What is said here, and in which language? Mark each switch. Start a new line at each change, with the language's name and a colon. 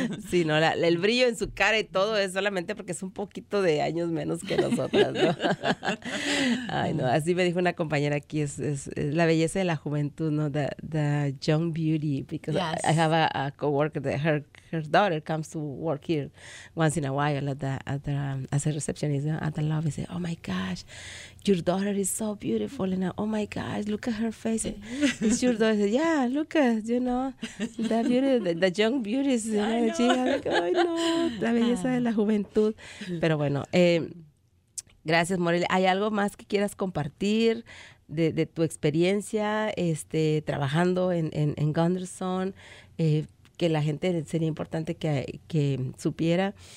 Spanish: Sí, no, el brillo en su cara y todo es solamente porque es un poquito de años menos que nosotras, ¿no? Ay, no, así me dijo una compañera aquí, es la belleza de la juventud, ¿no?
English: The young beauty, because yes. I have a work that her daughter comes to work here once in a while as a receptionist at the lobby. Say, oh my gosh, your daughter is so beautiful, and oh my gosh, look at her face. It's your daughter. Say, yeah, look at, you know, that beauty, the young beauty. Yeah, you know. She's like, oh no,
Spanish: la belleza de la juventud. Pero bueno, gracias, Morelia. ¿Hay algo más que quieras compartir de tu experiencia trabajando en Gunderson, que la gente sería importante que supiera.